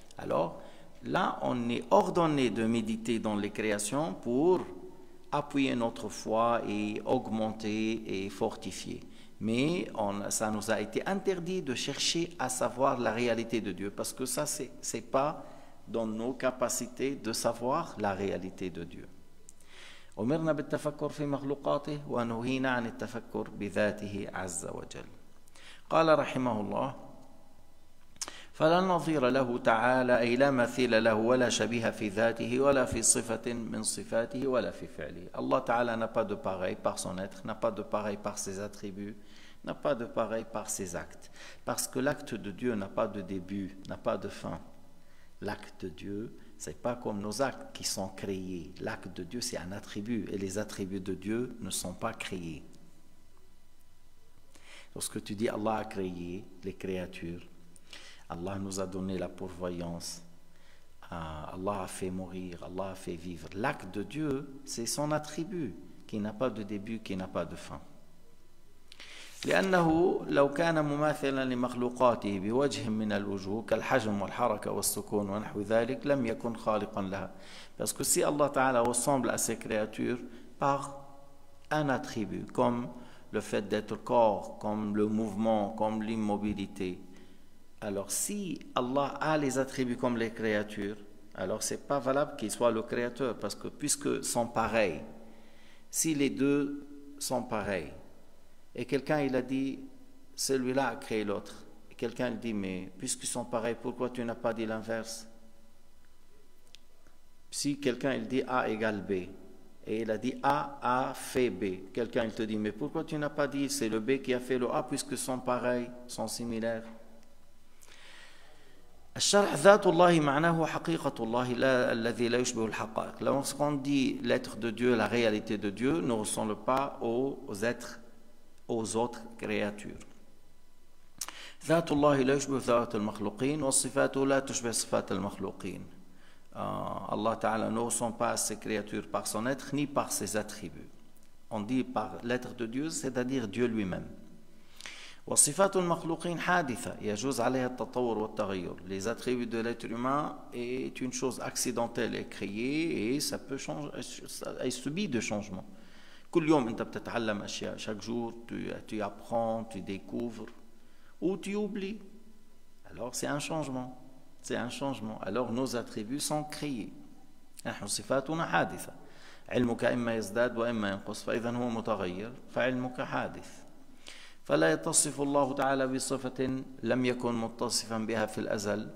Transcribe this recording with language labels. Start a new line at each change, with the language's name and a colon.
French: Alors, là, on est ordonné de méditer dans les créations pour appuyer notre foi et augmenter et fortifier. Mais ça nous a été interdit de chercher à savoir la réalité de Dieu, parce que ça, c'est pas dans nos capacités de savoir la réalité de Dieu.
Arabic: أمرنا بالتفكر في مخلوقاته ونهينا عن التفكر بذاته عز وجل. قال رحمه الله فلا نظير له تعالى أي لا مثيل له ولا شبيه في ذاته ولا في صفة من صفاته ولا في فعله.
French: الله تعالى n'a pas de pareil par son être, n'a pas de pareil par ses attributs, n'a pas de pareil par ses actes. Parce que l'acte de Dieu n'a pas de début, n'a pas de fin. L'acte de Dieu, ce n'est pas comme nos actes qui sont créés. L'acte de Dieu, c'est un attribut. Et les attributs de Dieu ne sont pas créés. Lorsque tu dis Allah a créé les créatures, Allah nous a donné la pourvoyance, Allah a fait mourir, Allah a fait vivre. L'acte de Dieu, c'est son attribut qui n'a pas de début, qui n'a pas de fin.
Arabic: لأنه لو كان مماثلا لمخلوقاته بوجه من الوجوه كالحجم والحركة والسكون ونحو ذلك لم يكن خالقا لها.
French: Parce que si Allah Ta'ala ressemble à ses créatures par un attribut, comme le fait d'être corps, comme le mouvement, comme l'immobilité, alors si Allah a les attributs comme les créatures, alors c'est pas valable qu'il soit le créateur, parce que puisque sont pareils, si les deux sont pareils, et quelqu'un il a dit celui-là a créé l'autre, et quelqu'un il dit mais puisqu'ils sont pareils pourquoi tu n'as pas dit l'inverse. Si quelqu'un il dit A égale B et il a dit A fait B, quelqu'un il te dit mais pourquoi tu n'as pas dit c'est le B qui a fait le A puisque sont pareils, sont similaires.
Arabic: الشرح ذات الله معناه حقيقة الله لا الذي لا يشبه الحقائق.
French: Lorsqu'on dit l'être de Dieu, la réalité de Dieu ne ressemble pas aux êtres, aux autres créatures.
Arabic: ذات الله لا يشبه ذات المخلوقين وصفاته لا تشبه صفات المخلوقين.
French: Allah Ta'ala ne ressemble pas à ses créatures par son être ni par ses attributs. On dit par l'être de Dieu, c'est-à-dire Dieu lui-même.
Arabic: وصفات المخلوقين حادثة يجوز عليها التطور والتغير.
French: Les attributs de l'être humain est une chose accidentelle et créée et ça peut changer, elle subit de changement.
Arabic: كل يوم انت بتتعلم اشياء.
French: Chaque jour tu apprends, tu découvres ou tu oublies. Alors c'est un changement. C'est un changement. Alors nos attributs sont créés.
Arabic: نحن صفاتنا حادثة. علمك اما يزداد واما ينقص فاذا هو متغير فعلمك حادث. فلا يتصف الله تعالى بصفة لم يكن متصفا بها في الأزل.